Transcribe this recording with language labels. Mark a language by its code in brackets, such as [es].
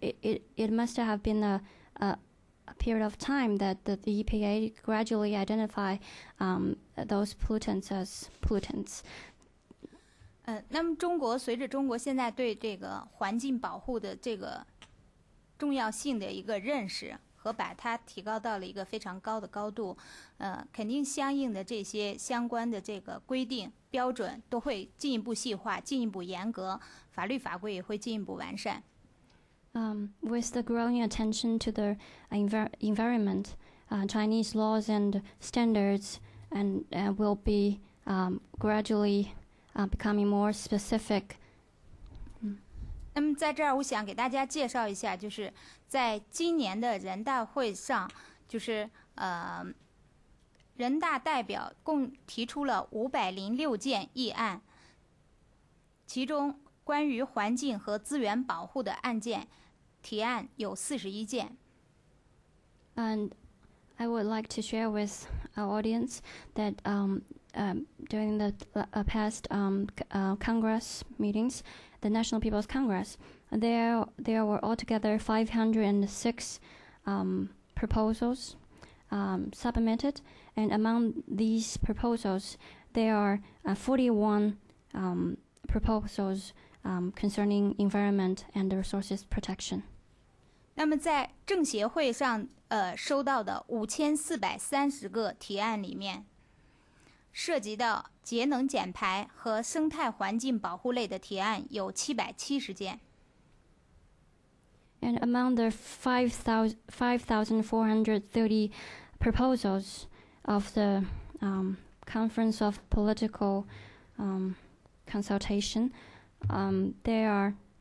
[en] It must have been a period of time that the EPA gradually identify those pollutants as pollutants. [zh] 那么中国随着中国现在对这个环境保护的这个重要性的一个认识。和把它提高到了一个非常高的高度，肯定相应的这些相关的这个规定标准都会进一步细化，进一步严格，法律法规也会进一步完善。 [en] With the growing attention to the environment, Chinese laws and standards and will be gradually becoming more specific. [zh] 那么在这儿，我想给大家介绍一下，就是在今年的人大会上，就是人大代表共提出了506件议案，其中关于环境和资源保护的案件提案有41件。 [en] And I would like to share with our audience that during the past Congress meetings. The National People's Congress. There were altogether 506 proposals submitted, and among these proposals, there are 41 proposals concerning environment and resources protection. [zh] 那么在政协会上，收到的5430个提案里面。涉及到节能减排和生态环境保护类的提案有770件。 [en] And among the 5,430 proposals of the Conference of Political Consultation, there are